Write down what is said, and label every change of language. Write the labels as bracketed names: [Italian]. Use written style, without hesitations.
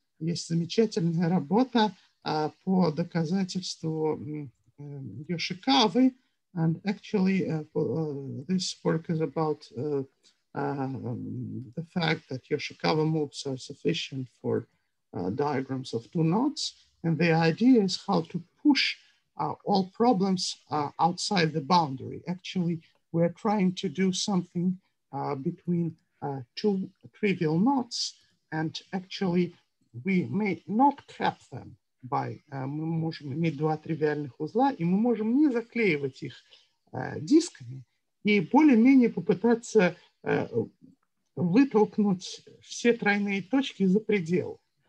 [Russian] Есть замечательная работа по доказательству Йошикавы. [English] And actually, this work is about the fact that Yoshikawa moves are sufficient for diagrams of two knots. And the idea is how to push all problems outside the boundary. Actually, we're trying to do something between two trivial knots. And actually, we may not cap them by [Russian] мы можем иметь два тривиальных узла, и мы можем не заклеивать их дисками и более-менее попытаться вытолкнуть все тройные точки за предел.